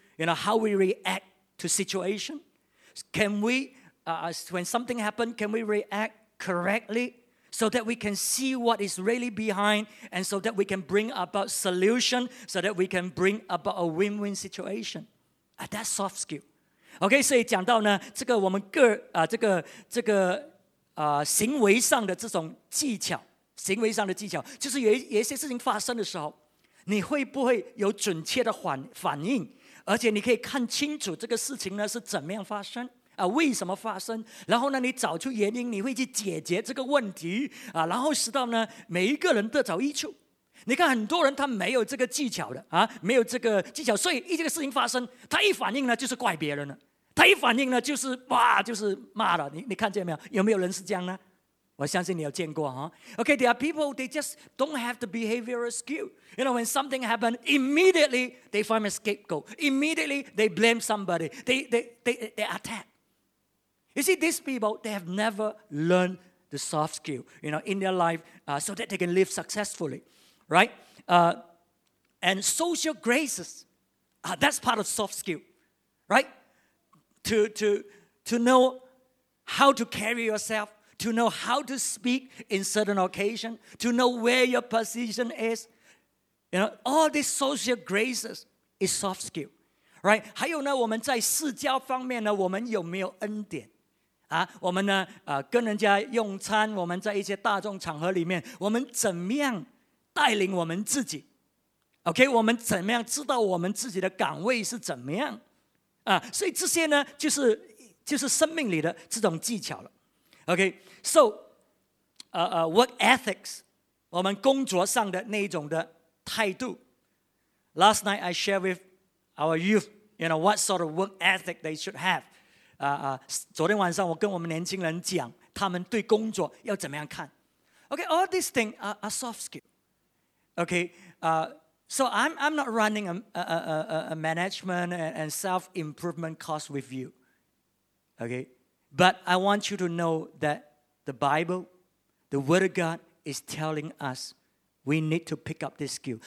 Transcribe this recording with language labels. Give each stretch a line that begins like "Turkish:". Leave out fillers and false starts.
English: You know, how we react to situation. Can we, when something happens, can we react correctly so that we can see what is really behind and so that we can bring about solution, so that we can bring about a win-win situation. That's soft skill.
Chinese: OK， 所以讲到呢，这个我们个啊、行为上的这种技巧，行为上的技巧，就是有一些事情发生的时候，你会不会有准确的反应，而且你可以看清楚这个事情呢是怎么样发生。为什么发生，然后呢你找出原因，你会去解决这个问题、然后使到呢每一个人得着益处。你看很多人他没有这个技巧的、没有这个技巧，所以一这个事情发生，他一反应呢就是怪别人了，他一反应呢就是哇，就是骂了。你看见没有，有没有人是这样呢？我相信你有见过、
English: OK, there are people, they just don't have the behavioral skill. You know, when something happens, immediately they find a scapegoat. Immediately they blame somebody. They attack. You see, these people, they have never learned the soft skill, you know, in their life, so that they can live successfully, right? And social graces, that's part of soft skill, right? To know how to carry yourself, to know how to speak in certain occasion, to know where your position is, you know, all these social graces is soft skill, right?
Chinese: 还有呢，我们在社交方面呢，我们有没有恩典？我们呢、跟人家用餐，我们在一些大众场合里面，我们怎么样带领我们自己 ？OK， 我们怎么样知道我们自己的岗位是怎么样？所以这些呢，就是生命里的这种技巧了。 OK，so、work ethics， 我们工作上的那一种的态度。
English: Last night I shared with our youth, you know, what sort of work ethic they should have.
Chinese: 昨天晚上我跟我们年轻人讲他们对工作要怎么样看。
English: OK, all these things are soft skills. OK, so I'm not running a management and self-improvement course with you. OK, but I want you to know that the Bible, the Word of God is telling us we need to pick up this skill.